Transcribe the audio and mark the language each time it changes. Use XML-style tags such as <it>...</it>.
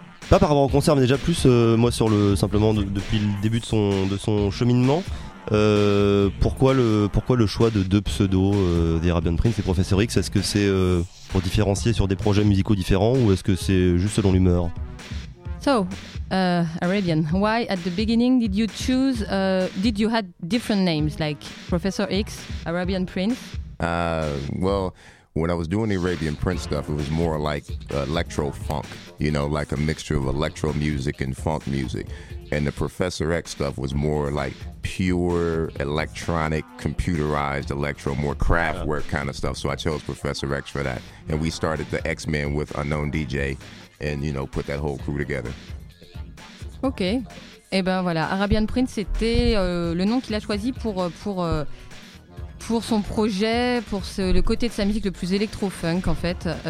<fr>Pas par rapport au concert, mais déjà plus moi sur le simplement depuis le début de son cheminement. Pourquoi le choix de deux pseudos, The Arabian Prince et Professeur X? Est-ce que c'est pour différencier sur des projets musicaux différents ou est-ce que c'est juste selon l'humeur?</fr> <en>So, Arabian, why at the beginning did you choose, did you had different names like Professor X, Arabian Prince? Well, when I was doing the Arabian Prince stuff, it was more like electro-funk, you know, like a mixture of electro music and funk music. And the Professor X stuff was more like pure electronic, computerized electro, more Kraftwerk kind of stuff. So I chose Professor X for that. And we started the X-Men with Unknown DJ and, you know, put that whole crew together. Ok.</en> <fr>Et eh ben voilà, Arabian Prince, c'était le nom qu'il a choisi pour son projet, pour le côté de sa musique le plus électro-funk, en fait.</fr>